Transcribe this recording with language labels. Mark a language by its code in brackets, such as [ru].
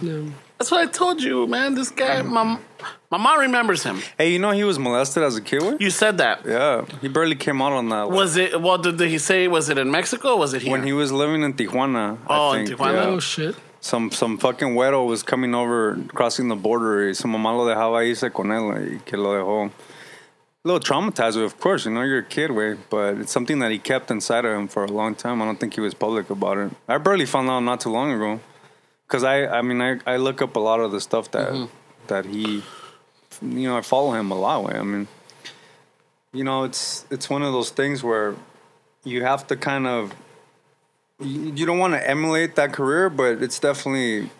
[en] Yeah. That's what I told you, man. This guy, My mom remembers him. Hey, you know he was molested as a kid? You said that. Yeah. He barely came out on that. Did he say, was it in Mexico or was it here? When he was living in Tijuana. Oh, I think. In Tijuana? Yeah. Oh, shit. Some fucking güero was coming over, crossing the border. [es] Su mamá lo dejaba irse con él y que lo dejó. [en] A little traumatized, of course. You know, you're a kid, way, but it's something that he kept inside of him for a long time. I don't think he was public about it. I barely found out not too long ago. Because I look up a lot of the stuff that that he... You know, I follow him a lot. Way, I mean, you know, it's one of those things where you have to kind of you don't want to emulate that career, but it's definitely